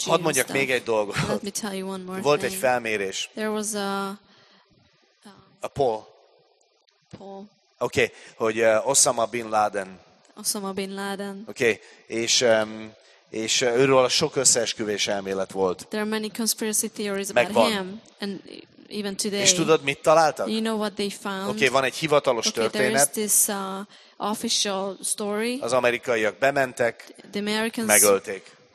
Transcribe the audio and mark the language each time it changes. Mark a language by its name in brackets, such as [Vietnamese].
[Hungarian] Hadd mondjak még egy dolgot. Volt egy felmérés. [English] A poll. [Hungarian] Oké, hogy [English] Osama Bin Laden. [Hungarian] Oké, okay. És őről a sok összeesküvés elmélet volt. [English] There are many conspiracy theories about him, and even today. [Hungarian] És tudod, mit találtak? [English] You know what they found? [Hungarian] Okay, van egy hivatalos történet. [English] Okay, there is this official story. [Hungarian] Az amerikaiak bementek, megölték.